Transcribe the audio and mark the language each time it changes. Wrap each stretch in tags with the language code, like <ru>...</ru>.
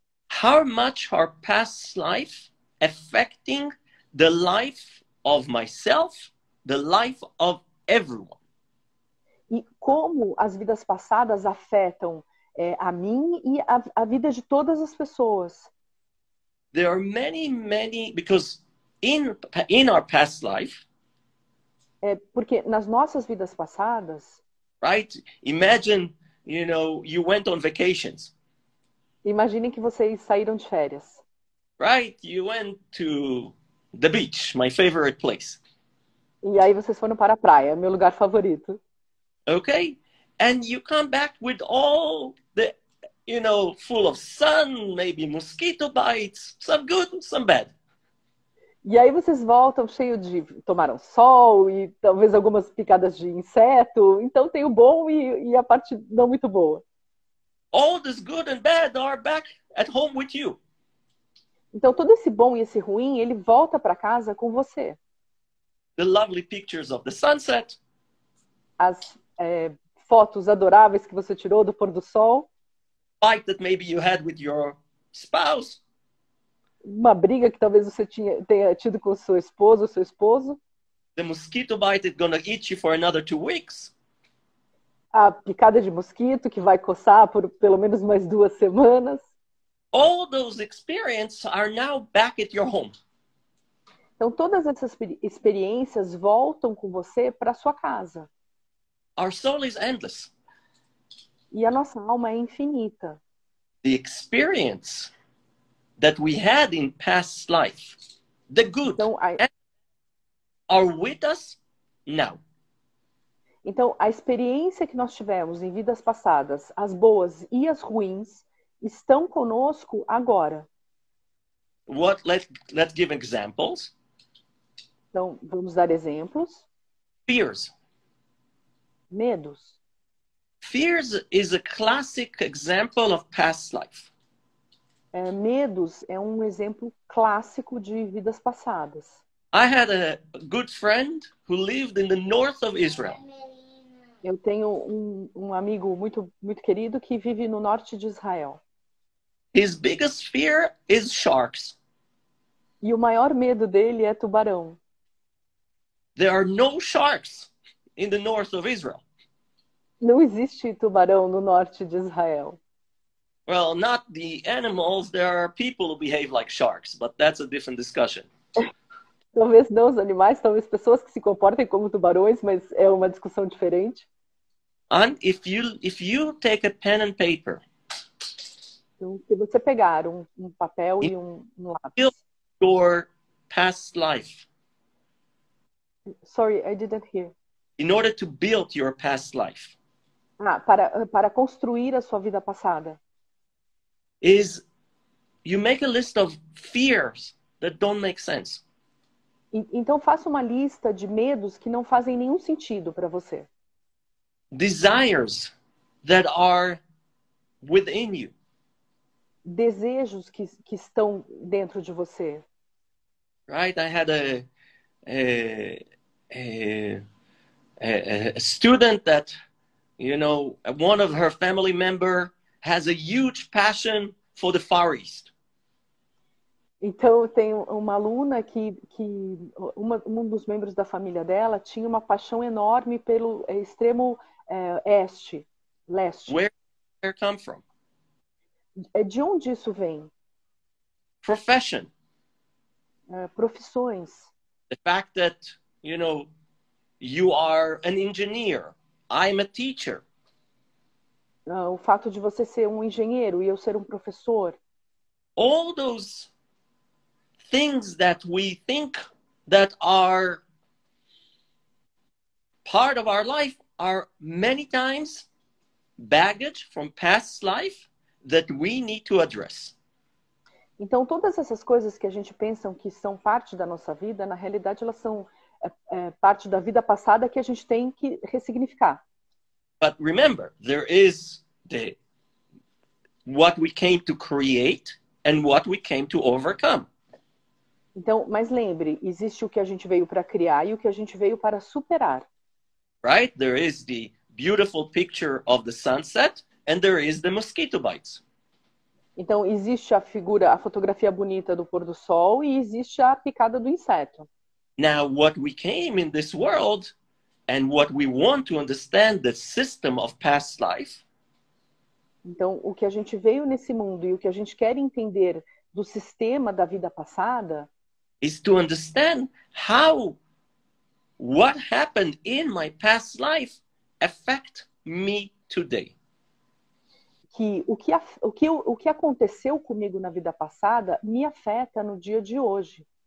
<en>How much our past life affecting the life of myself, the life of everyone.</en> <pt>E como as vidas passadas afetam a mim e a vida de todas as pessoas.</pt> <en>There are many, many, because in our past life.</en> <pt>Porque nas nossas vidas passadas.</pt> <en>Right? Imagine, you know, you went on vacations.</en> <pt>Imagine que vocês saíram de férias.</pt> <en>Right? You went to the beach, my favorite place.</en> <pt>E aí vocês foram para a praia, meu lugar favorito.</pt> <en>Okay? And you come back with all the, you know, full of sun, maybe mosquito bites, some good, some bad.</en> <pt>E aí vocês voltam cheio de, tomaram sol e talvez algumas picadas de inseto. Então tem o bom e a parte não muito boa.</pt> <en>All this good and bad are back at home with you.</en> <pt>Então todo esse bom e esse ruim, ele volta para casa com você.</pt> <en>The lovely pictures of the sunset.</en> <pt>As fotos adoráveis que você tirou do pôr do sol.</pt> <en>Fight that maybe you had with your spouse.</en> <pt>Uma briga que talvez você tenha tido com sua esposa ou seu esposo.</pt> <en>The mosquito bite is gonna eat you for another 2 weeks.</en> <pt>A picada de mosquito que vai coçar por pelo menos mais 2 semanas.</pt> <en>All those experiences are now back at your home.</en> <pt>Então todas essas experiências voltam com você para sua casa.</pt> <en>Our soul is endless.</en> <pt>E a nossa alma é infinita.</pt> <en>The experience that we had in past life, the good, are with us now.</en> <pt>Então, a experiência que nós tivemos em vidas passadas, as boas e as ruins, estão conosco agora.</pt> <en>Let's give examples.</en> <pt>Então, vamos dar exemplos.</pt> <en>Fears.</en> <pt>Medos.</pt> <en>Fears is a classic example of past life.</en> <pt>Medos é um exemplo clássico de vidas passadas.</pt> <en>I had a good friend who lived in the north of Israel.</en> <pt>Eu tenho um amigo muito, muito querido que vive no norte de Israel.</pt> <en>His biggest fear is sharks.</en> <pt>E o maior medo dele é tubarão.</pt> <en>There are no sharks in the north of Israel.</en> <pt>Não existe tubarão no norte de Israel.</pt> <en>Well, not the animals, there are people who behave like sharks, but that's a different discussion.</en> <pt>Talvez não os animais, talvez pessoas que se comportem como tubarões, mas é uma discussão diferente.</pt> <en>And if you take a pen and paper.</en> <pt>Então, se você pegar um papel e um lápis.</pt> <en>Your past life. Sorry, I didn't hear. In order to build your past life.</en> <pt>Ah, para construir a sua vida passada.</pt> <en>Is you make a list of fears that don't make sense.</en> <pt>Então faça uma lista de medos que não fazem nenhum sentido para você.</pt> <en>Desires that are within you.</en> <pt>Desejos que estão dentro de você.</pt> <en>Right, I had a student that, you know, one of her family member has a huge passion for the Far East.</en> <pt>Então, tem uma aluna que um dos membros da família dela tinha uma paixão enorme pelo extremo leste.</pt> <en>Where come from?</en> <pt>De onde isso vem?</pt> <en>Profession.</en> <pt>profissões.</pt> <en>The fact that, you know, you are an engineer, I'm a teacher.</en> <pt>O fato de você ser um engenheiro e eu ser um professor.</pt> <en>All those things that we think that are part of our life are many times baggage from past life that we need to address.</en> <pt>Então, todas essas coisas que a gente pensa que são parte da nossa vida, na realidade, elas são parte da vida passada que a gente tem que ressignificar.</pt> <en>But remember, there is the what we came to create and what we came to overcome.</en> <pt>Então, mas lembre, existe o que a gente veio para criar e o que a gente veio para superar.</pt> <en>Right? There is the beautiful picture of the sunset and there is the mosquito bites.</en> <pt>Então, existe a figura, a fotografia bonita do pôr do sol e existe a picada do inseto.</pt> <en>Now, what we came in this world and what we want to understand the system of past life.</en> <pt>Então, o que a gente veio nesse mundo e o que a gente quer entender do sistema da vida passada</pt> <en>is to understand how what happened in my past life affect me today.</en> <pt>Que o que aconteceu comigo na vida passada me afeta no dia de hoje.</pt>